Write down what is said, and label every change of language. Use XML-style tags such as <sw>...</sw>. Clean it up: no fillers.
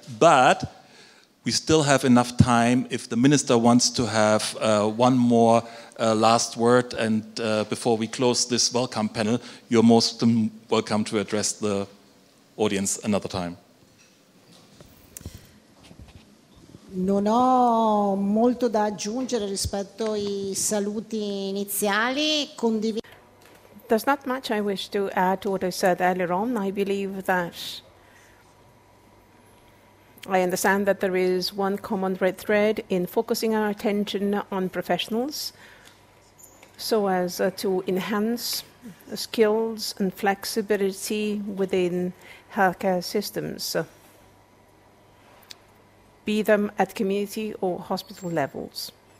<en>But we still have enough time if the minister wants to have one more last word, and before we close this welcome panel, you're most welcome to address the audience another time.</en> <it>Non ho molto da aggiungere rispetto ai saluti iniziali.</it> <en>There's not much I wish to add to what I said earlier on. I believe that I understand that there is one common red thread in focusing our attention on professionals so as to enhance the skills and flexibility within healthcare systems, be them at community or hospital levels.</en>